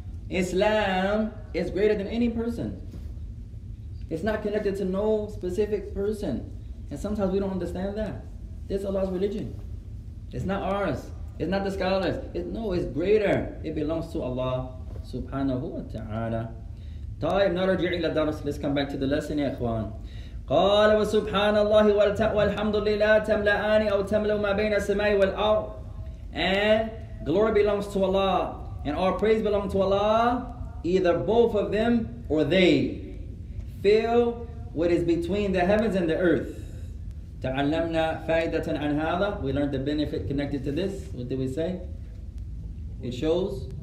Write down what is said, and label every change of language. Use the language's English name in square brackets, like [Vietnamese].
[English] Islam is greater than any person. It's not connected to no specific person. And sometimes we don't understand that. This is Allah's religion. It's not ours. It's not the scholars. It's greater. It belongs to Allah subhanahu wa ta'ala. [Arabic] طيب نرجع إلى الدرس. [English] Let's come back to the lesson, [Arabic] يا إخوان. قال وسبحان الله والحمد لله تملأان أو تملأ ما بين السماء والأرض. [English] And glory belongs to Allah. And all praise belong to Allah, either both of them or they. Fill what is between the heavens and the earth. [Arabic] تعلمنا فائدة عن هذا. [English] We learned the benefit connected to this. What did we say? It shows.